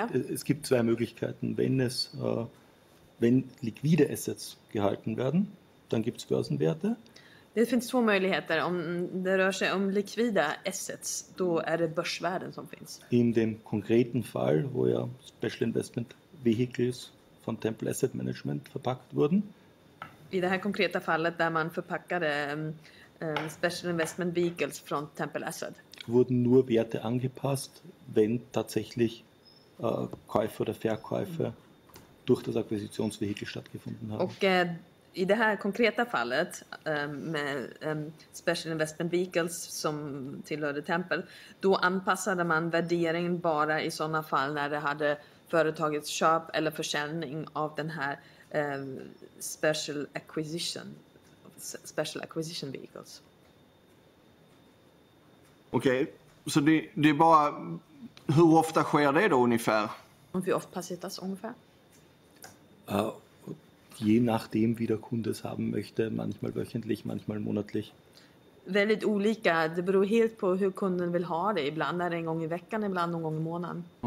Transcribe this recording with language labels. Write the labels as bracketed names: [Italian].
[German] Es gibt zwei Möglichkeiten. Wenn liquide Assets gehalten werden, dann gibt es Börsenwerte. [Swedish] Det finns två möjligheter. Om det rör sig om likvida assets, då är det börsvärden som finns. I den [German] konkreten fall, wo ja special investment vehicles från Temple Asset Management förpackat wurden. [Swedish] I det här konkreta fallet där man förpackade special investment vehicles från Temple Asset. [German] Wurden nur Werte angepasst, wenn tatsächlich Käufe oder Verkäufe durch das Akquisitionsvehikel stattgefunden haben. [Swedish] Och i det här konkreta fallet med Special Investment Vehicles som tillhörde Tempel, då anpassade man värderingen bara i sådana fall när det hade företagets köp eller försäljning av den här Special Acquisition Vehicles. Okej, okay. Så det är bara, hur ofta sker det då ungefär? [German] Und wie oft passiert das ungefähr? Je nachdem, wie der Kunde es haben möchte, manchmal wöchentlich, manchmal monatlich. [Swedish] Väldigt olika, det beror helt på hur kunden vill ha det. Ibland är det en gång i veckan, ibland någon gång i månaden.